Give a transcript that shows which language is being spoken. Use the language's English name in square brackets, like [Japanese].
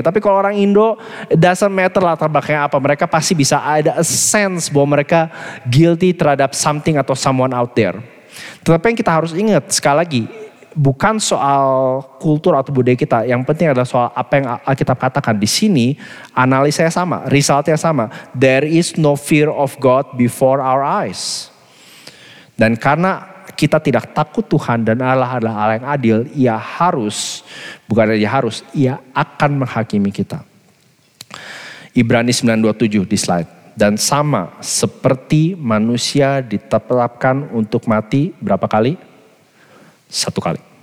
[Indonesian] Tapi kalau orang Indo, [English] doesn't matter [Indonesian] latar belakangnya apa, mereka pasti bisa ada [English] a sense [Indonesian] bahwa mereka guilty terhadap [English] something [Indonesian] atau [English] someone out there. [Indonesian] Tetapi yang kita harus ingat sekali lagi, bukan soal kultur atau budaya kita, yang penting adalah soal apa yang Alkitab katakan di sini. Analisanya sama, resultnya sama. [English] There is no fear of God before our eyes. [Indonesian] Dan karena kita tidak takut Tuhan dan Allah adalah Allah yang adil, ia harus, bukan saja harus, ia akan menghakimi kita. Ibrani 9:27 di slide. Dan sama seperti manusia ditetapkan untuk mati berapa kali? Satu kali.